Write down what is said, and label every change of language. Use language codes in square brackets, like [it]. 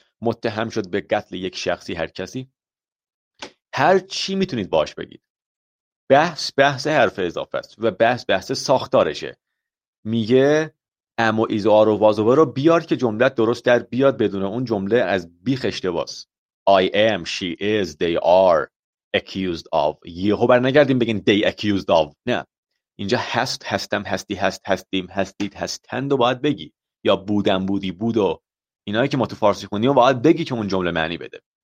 [fa] متهم شد به قتل یک شخصی، هر کسی. هر چی میتونید باش بگید. بحث بحث حرف اضافه است و بحث بحث ساختارشه. میگه ام و ایز و آر و واز و رو بیار که جمله درست در بیاد، بدون اون جمله از بیخ اشتباس. [en] I am, she is, they are accused of. [fa] یهو برنگردیم بگین [en] they accused of. [fa] نه، اینجا هست، هستم، هستی، هست، هستیم، هستید، هستند و باید بگی، یا بودم، بودی، بود، و اینایی که ما تو فارسی خوندیم و باید بگی که اون جمله معنی بده.